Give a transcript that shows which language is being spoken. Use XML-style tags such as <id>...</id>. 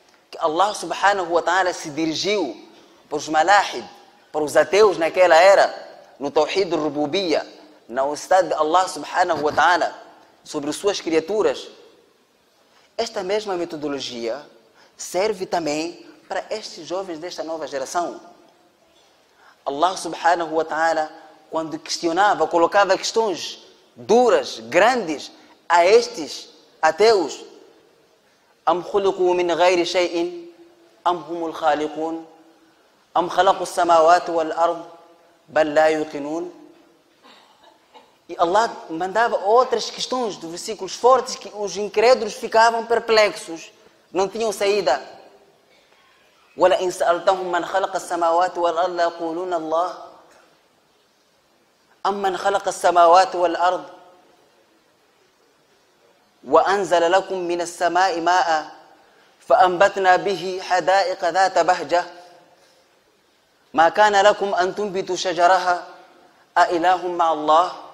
<pt>Que Allah subhanahu wa ta'ala se dirigiu para os malahid, para os ateus naquela era, no Tawhid al-Rububiyya, na unicidade de Allah subhanahu wa ta'ala, sobre suas criaturas. Esta mesma metodologia serve também para estes jovens desta nova geração. Allah subhanahu wa ta'ala, quando questionava, colocava questões duras, grandes, a estes ateus,</pt> <ar>أم خلقوا من غير شيء أم هم الخالقون أم خلقوا السماوات والأرض بل لا يوقنون.</ar> <pt>E Allah mandava outras questões dos versículos fortes que os incrédulos ficavam perplexos, não tinham saída.</pt> <ar>ولئن سألتهم من خلق السماوات والأرض ليقولون الله أم من خلق السماوات والأرض وَأَنْزَلَ لَكُمْ مِنَ السَّمَاءِ مَاءً فَأَنْبَتْنَا بِهِ حَدَائِقَ ذَاتَ بَهْجَةٍ مَا كَانَ لَكُمْ أَنْ تُنْبِتُوا شَجَرَهَا أَإِلَهٌ مَعَ اللَّهِ.</ar>